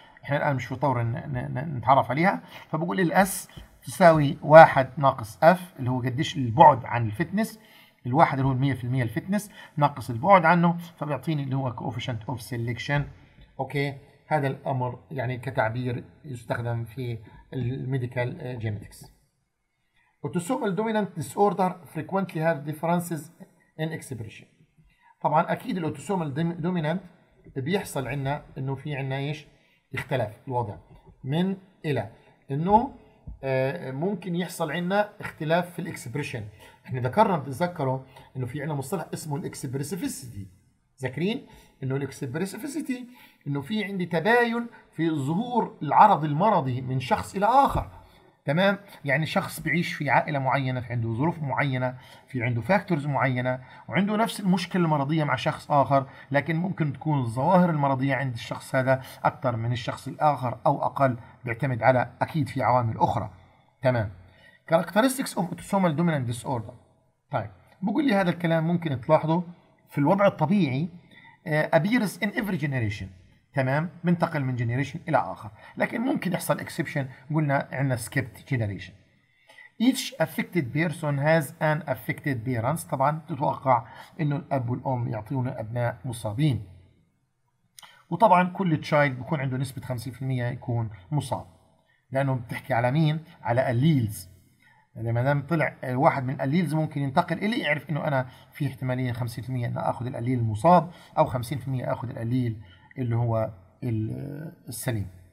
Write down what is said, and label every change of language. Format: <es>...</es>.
<ar>احنا الان مش في طور نتعرف عليها. فبقول الاس تساوي واحد ناقص F اللي هو قديش البعد عن الفتنس. الواحد اللي هو 100% الفتنس ناقص البعد عنه فبيعطيني اللي هو</ar> <en>coefficient of selection.</en> <ar>أوكي، هذا الأمر يعني كتعبير يستخدم في الميديكال جينيتكس.</ar> <en>autosomal dominant disorder frequently have differences in expression.</en> <ar>طبعا أكيد الautosomal dominant بيحصل عنا أنه في عنا إيش اختلاف الوضع من إلى أنه ممكن يحصل عنا اختلاف في الاكسبريشن. احنا ذكرنا بتذكروا انه في عنا مصطلح اسمه الاكسبريسيفيسيتي. ذاكرين انه الاكسبريسيفيسيتي انه في عندي تباين في ظهور العرض المرضي من شخص الى اخر. تمام؟ يعني شخص بيعيش في عائله معينه، في عنده ظروف معينه، في عنده فاكتورز معينه، وعنده نفس المشكله المرضيه مع شخص اخر، لكن ممكن تكون الظواهر المرضيه عند الشخص هذا اكثر من الشخص الاخر او اقل، بيعتمد على اكيد في عوامل اخرى.</ar> <en>تمام. characteristics of autosomal dominant disorder.</en> <ar>طيب بقول لي هذا الكلام ممكن تلاحظه في الوضع الطبيعي</ar> <en>appears in every generation.</en> <ar>تمام، بنتقل من جينيريشن الى اخر، لكن ممكن يحصل اكسبشن. قلنا عندنا سكيبت جينيريشن.</ar> <en>each affected person has an affected parents.</en> <ar>طبعا تتوقع انه الاب والام يعطيونا ابناء مصابين، وطبعا كل تشايلد بيكون عنده نسبه 50% يكون مصاب. لانه بتحكي على مين؟ على الليلز. لما دام طلع واحد من الليلز ممكن ينتقل الي، يعرف انه انا في احتماليه 50% ان اخذ الليل المصاب او 50% اخذ الليل اللي هو السليم.</ar>